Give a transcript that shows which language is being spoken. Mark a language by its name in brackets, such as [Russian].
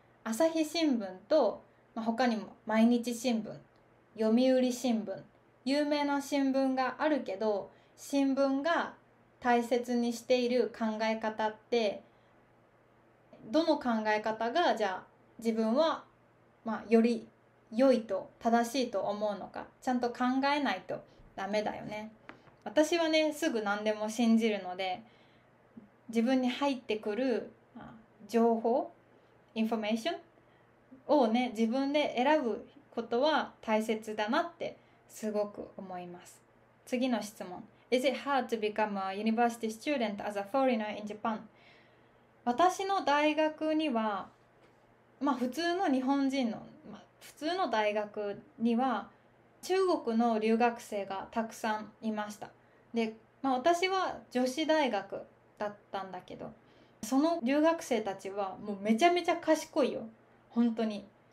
[Japanese] 朝日新聞と、まあ、他にも毎日新聞、読売新聞、有名な新聞があるけど、新聞が大切にしている考え方って、どの考え方がじゃあ自分は、まあ、より良いと正しいと思うのか、ちゃんと考えないとダメだよね。私はね、すぐ何でも信じるので、自分に入ってくる情報、インフォメーションをね、自分で選ぶことは大切だなってすごく思います。次の質問、 [English] Is it hard to become a university student as a foreigner in Japan? [Japanese] 私の大学にはまあ普通の日本人の、まあ、普通の大学には中国の留学生がたくさんいました。で、まあ、私は女子大学だったんだけど、その留学生たちはもうめちゃめちゃ賢いよ、本当に。